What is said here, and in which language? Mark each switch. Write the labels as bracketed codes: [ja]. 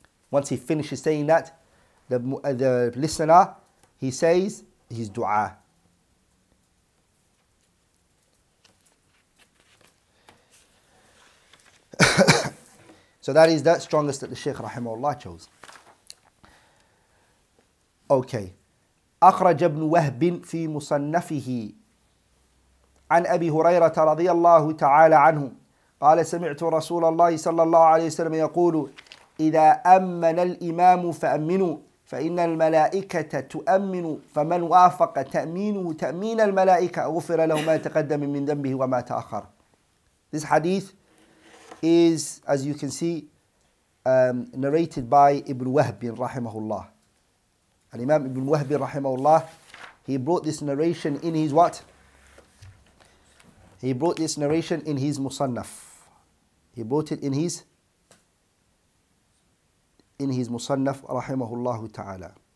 [en] Once he finishes saying that, the listener, he says his dua. So that is the strongest that the Shaykh rahimahullah chose. Okay. [ar] أخرج ابن وهب في مصنفه عن أبي هريرة رضي الله تعالى عنه قال سمعت رسول الله صلى الله عليه وسلم يقول إذا أمن الإمام فأمنوا فإن الملائكة تؤمن فمن وافق تأمينه تأمين الملائكة غفر له ما تقدم من ذنبه وما تأخر. [en] This hadith is, as you can see, narrated by Ibn Wahb rahimahullah. Al-Imam Ibn Wahb rahimahullah, he brought this narration in his what? He brought this narration in his Musannaf. He brought it in his Musannaf, rahimahullahu ta'ala.